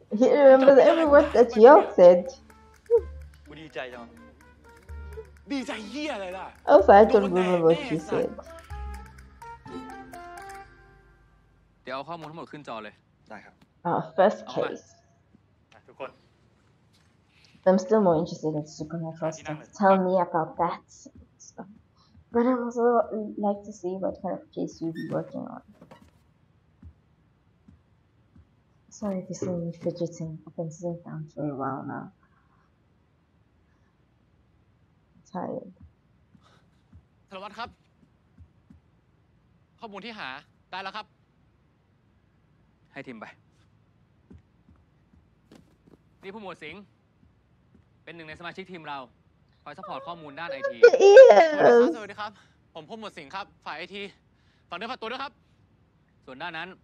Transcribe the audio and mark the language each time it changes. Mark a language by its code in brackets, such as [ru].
[en] He remembers every word that he said [th] กูดีใจจัง ดีใจเหี้ยอะไรล่ะ [en] Also I don't remember what he said [th] เดี๋ยวเอาข้อมูลทั้งหมดขึ้นจอเลย ได้ครับ [en] first case [th] ทุกคน [en] I'm still more interested in supernatural stuff tell me about that stuff but I'm also like to see what kind of case you'd be working on sorry if you see me fidgeting I've been sitting down for a while now I'm tired [th] สารวัตรครับข้อมูลที่หาได้แล้วครับให้ทีมไปนี่ผู้หมวดสิงห์เป็นหนึ่งในสมาชิกทีมเราคอยซัพพอร์ตข้อมูลด้านไอทีสวัสดีครับผมผู้หมวดสิงห์ครับฝ่ายไอทีฝั่งเดียวฝั่งตัวด้วยครับส่วนด้านนั้น